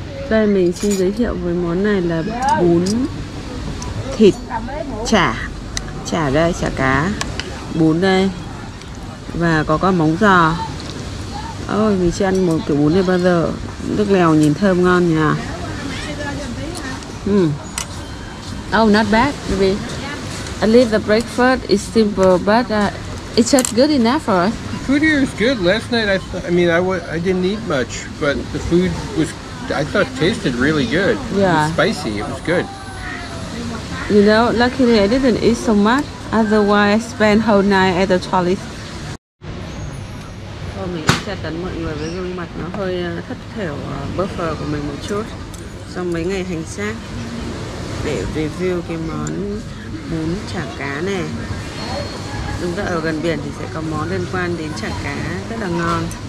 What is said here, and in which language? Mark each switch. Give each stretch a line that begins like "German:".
Vietnamese: Đây mình xin giới thiệu với món này là bún thịt chả. Chả đây, chả cá, bún đây, và có con móng giò. Ôi, mình chưa ăn một kiểu bún này bao giờ. Nước lèo nhìn thơm ngon nhỉ.
English: Oh, not bad, baby. At least the breakfast is simple, but it's just good enough for us. The food here is good. Last night, I didn't eat much, but the food was, I thought, tasted really good. Yeah. It was spicy, it was good. You know, luckily I didn't eat so much, otherwise I spent whole night at the toilet.
Vietnamese: Thôi mình sẽ tấn mọi người với gương mặt nó hơi thất thểu buffer của mình một chút sau mấy ngày hành xác, để review cái món bún chả cá nè. Đúng là ở gần biển thì sẽ có món liên quan đến chả cá rất là ngon.